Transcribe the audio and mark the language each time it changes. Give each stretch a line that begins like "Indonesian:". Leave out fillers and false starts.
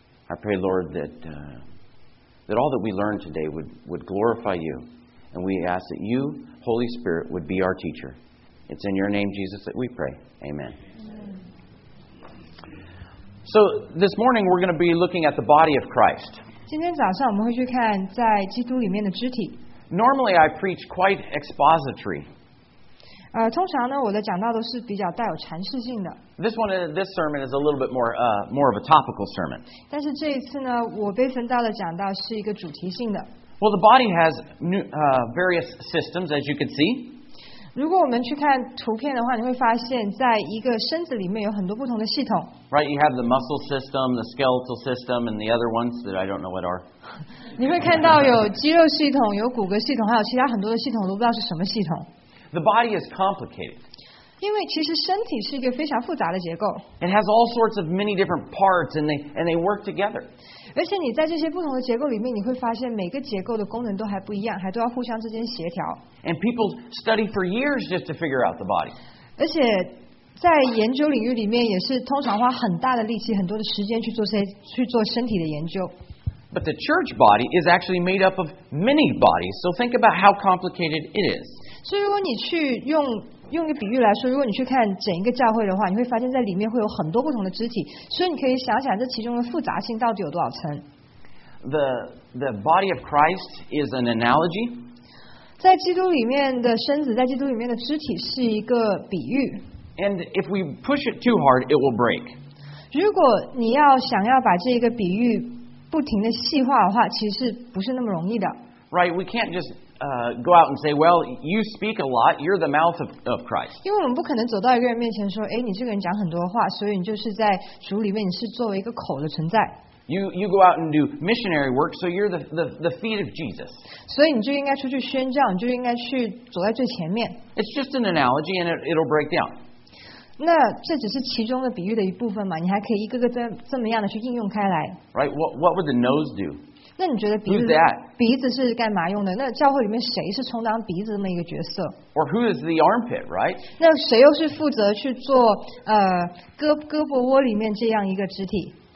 English: I pray, Lord, that all that we learn today would glorify you. And we ask that you, Holy Spirit, would be our teacher. It's in your name, Jesus, that we pray. Amen. So this morning we're going to be looking at the body of Christ.
Chinese: 今天早上我们会去看在基督里面的肢体。
English: Normally I preach quite expository.
Chinese: 通常呢，我的讲道都是比较带有阐释性的。
English: This sermon is a little bit more of a topical sermon.
Chinese: 但是这一次呢，我被分到的讲道是一个主题性的。
English: Well, the body has various systems, as you can see.
Chinese: 如果我们去看图片的话，你会发现在一个身子里面有很多不同的系统。
English: Right, you have the muscle system, the skeletal system, and the other ones that I don't know what are.
Chinese: 你会看到有肌肉系统，有骨骼系统，还有其他很多的系统，都不知道是什么系统。
English: The body is complicated.
Chinese: 因为其实身体是一个非常复杂的结构。
English: It has all sorts of many different parts, and they work together.
Chinese: 而且你在这些不同的结构里面，你会发现每个结构的功能都还不一样，还都要互相之间协调。
English: And people study for years just to figure out the body.
Chinese: 而且在研究领域里面，也是通常花很大的力气、很多的时间去做身体的研究。
English: But the church body is actually made up of many bodies. So think about how complicated it is.
Chinese: 所以如果你去用一个比喻来说，如果你去看整一个教会的话，你会发现在里面会有很多不同的肢体。所以你可以想想这其中的复杂性到底有多少层。
English: The body of Christ is an analogy.
Chinese: 在基督里面的身子，在基督里面的肢体是一个比喻。
English: And if we push it too hard, it will break.
Chinese: 如果你要想要把这个比喻不停的细化的话，其实不是那么容易的。
English: Right, we can't just go out and say, well, you speak a lot, you're the mouth of Christ.
Chinese: 因为我们不可能走到一个人面前说，哎，你这个人讲很多话，所以你就是在主里面，你是作为一个口的存在。
English: You go out and do missionary work, so you're the feet of Jesus.
Chinese: 所以你就应该出去宣教，你就应该去走在最前面。
English: It's just an analogy, and it'll break down.
Chinese: 那这只是其中的比喻的一部分嘛，你还可以一个个这么样的去应用开来。
English: Right, what would the nose do?
Chinese: 那你觉得鼻子
English: Who's that?
Chinese: 鼻子是干嘛用的？那教会里面谁是充当鼻子这么一个角色？
English: Or who is the armpit, right?
Chinese: 那谁又是负责去做胳膊窝里面这样一个肢体？